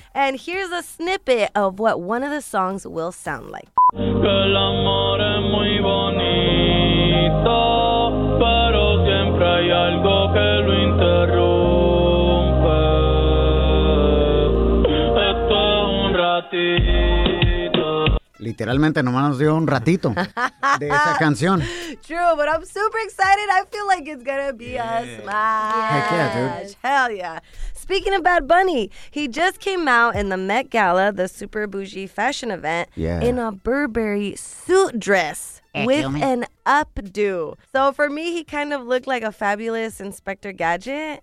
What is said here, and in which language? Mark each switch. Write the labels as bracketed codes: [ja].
[en] And here's a snippet of what one of the songs will sound like. [es] El amor es muy bonito, pero siempre hay algo que lo interrumpe. Esto es un ratito. Literalmente, nomás nos dio un ratito de esa canción. [en] True, but I'm super excited. I feel like it's gonna be a smash. Heck yeah, dude. Hell yeah. Speaking of Bad Bunny, he just came out in the Met Gala, the super bougie fashion event, yeah, in a Burberry suit dress with an updo. So for me, he kind of looked like a fabulous Inspector Gadget.